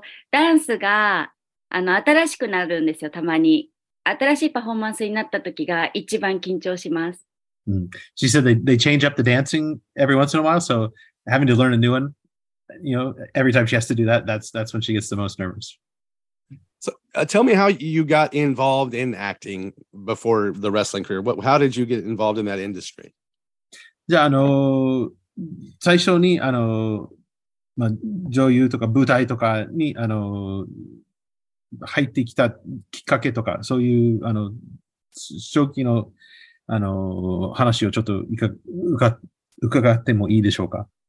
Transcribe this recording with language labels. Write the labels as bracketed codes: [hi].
[ja] ダンスがあの新しくなるんですよ、たまに。新しいパフォーマンスになった時が一番緊張します。 Mm. [en] She said they change up the dancing every once in a while, so having to learn a new one, you know, every time she has to do that, that's when she gets the most nervous. So, tell me how you got involved in acting before the wrestling career. How did you get involved in that industry? [ja] じゃあ、あの、最初に、あの、まあ、女優とか舞台とかに、あの、入ってきたきっかけとか、そういう、あの、初期の、あの、話をちょっと伺ってもいいでしょうか？